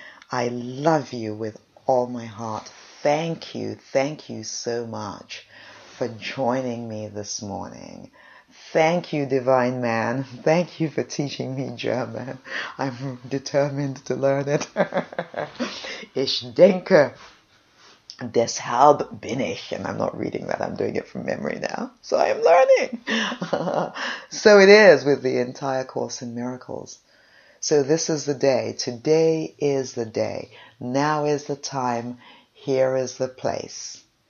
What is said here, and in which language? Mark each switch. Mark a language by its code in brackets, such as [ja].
[en] I love you with all my heart. Thank you so much for joining me this morning. Thank you, divine man. Thank you for teaching me German. I'm determined to learn it. [de] Ich denke, deshalb bin ich. [en] And I'm not reading that. I'm doing it from memory now. So I am learning. So it is with the entire Course in Miracles. So this is the day. Today is the day. Now is the time. Here is the place.